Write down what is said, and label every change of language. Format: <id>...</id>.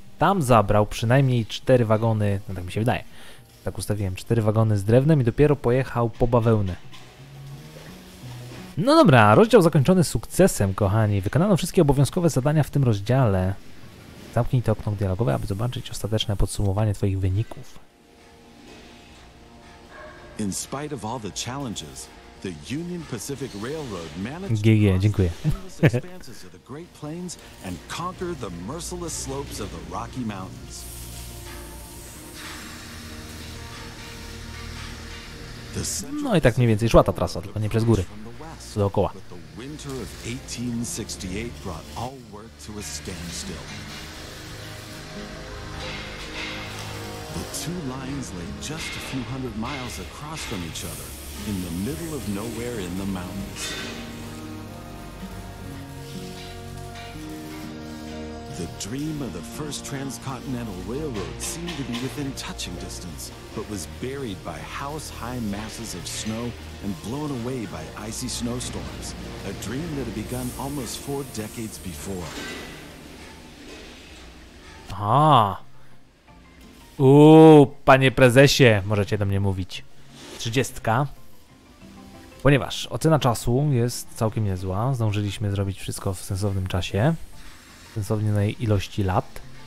<pl>Tam zabrał przynajmniej 4 wagony, no tak mi się wydaje. Tak ustawiłem, 4 wagony z drewnem i dopiero pojechał po bawełnę. No dobra, rozdział zakończony sukcesem, kochani. Wykonano wszystkie obowiązkowe zadania w tym rozdziale. Zamknij to okno dialogowe, aby zobaczyć ostateczne podsumowanie twoich wyników.</pl> <en>In spite of all the challenges, the Union Pacific Railroad</en> <pl>GG, dziękuję.</pl> <en>The Great Plains and conquer the merciless slopes of the Rocky Mountains.</en> <pl>No i tak mniej więcej szła ta trasa, tylko nie przez góry. Dookoła.</pl> <en>The winter of 1868 brought all work to a standstill. The two lines lay just a few hundred miles across from each other. In the middle of nowhere in the mountains. The dream of the first transcontinental railroad seemed to be within touching distance, but was buried by house-high masses of snow and blown away by icy snowstorms, a dream that had begun almost 4 decades before. Ah.</en> <pl>Ooh, panie prezesie, możecie do mnie mówić. 30. Ponieważ ocena czasu jest całkiem niezła, zdążyliśmy zrobić wszystko w sensownym czasie, w sensownej ilości lat.</pl>